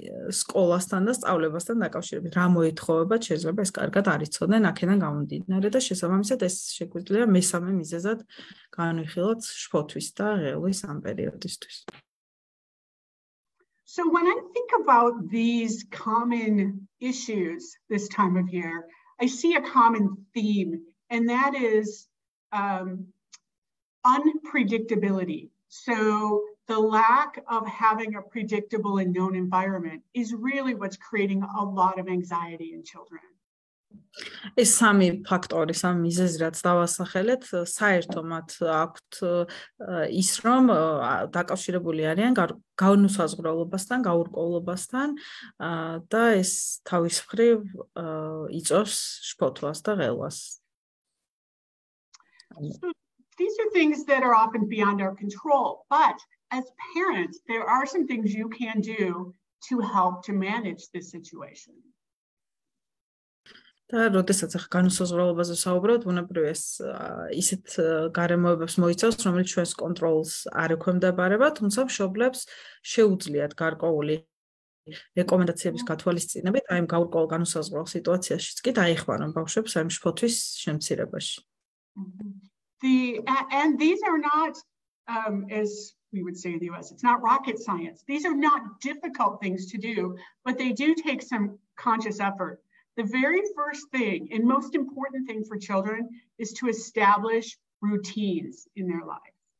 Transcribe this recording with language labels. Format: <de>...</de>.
<ka>სკოლასთან და სწავლებასთან დაკავშირებით. რა მოეთხოვებათ, შეიძლება ეს კარგად არ იცოდნენ აქედან გამომდინარე და შესაბამისად ეს შეგვიძლია მესამე მიზეზად განვიხილოთ შფოთვის და ღელვის ამ პერიოდისთვის.</ka> <en>So when I think about these common issues this time of year, I see a common theme, and that is unpredictability. So the lack of having a predictable and known environment is really what's creating a lot of anxiety in children.</en> <ka>ეს სამი ფაქტორი, სამი მიზეზი, რაც დავასახელეთ, საერთო მათ აქვთ ის, რომ დაკავშირებული არიან განუსაზღვრელობასთან, გაურკვევლობასთან და ეს თავის მხრივ იწვევს შფოთვას და ღელვას.</ka> <en>These are things that are often beyond our control, but as parents, there are some things you can do to help to manage this situation.</en> <ka>და როდესაც ახ განუსაზღვრელობაზე საუბრობთ, უნებრივ ეს ისეთ გარემოებებს მოიცავს, რომელიც ჩვენს კონტროლს არ ექვემდებარება, თუმცა მშობლებს შეუძლიათ გარკვეული რეკომენდაციების გათვალისწინებით აი ამ გაურკვეველ განუსაზღვრელ სიტუაციაში კი დაეხმარონ ბავშვებს ამ შფოთვის შემცირებაში.</ka> <en>And these are not as we would say in the US, it's not rocket science. These are not difficult things to do, but they do take some conscious effort. The very first thing and most important thing for children is to establish routines in their life.</en>